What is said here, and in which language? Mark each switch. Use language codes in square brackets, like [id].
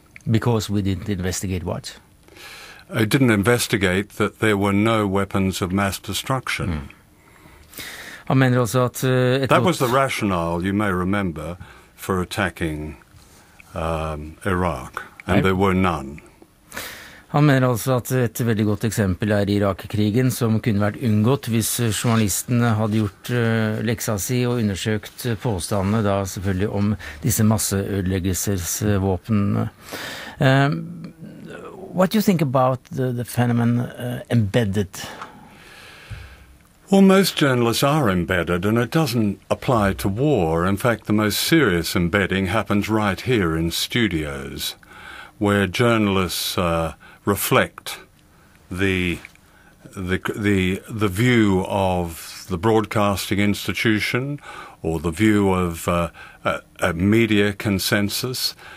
[en] Because we didn't investigate what? I didn't investigate that there were no weapons of mass destruction. Mm. I mean, also that that was the rationale, you may remember, for attacking Iraq, and there were none. [no] Han mener altså at et veldig godt eksempel er Irak-krigen, som kunne vært unngått hvis journalistene hadde gjort leksa si og undersøkt påstandene da selvfølgelig om disse masseødeleggelsesvåpenene. [en] What do you think about the phenomenon embedded? Well, most journalists are embedded, and it doesn't apply to war. In fact, the most serious embedding happens right here in studios, where journalists reflect the view of the broadcasting institution or the view of a media consensus.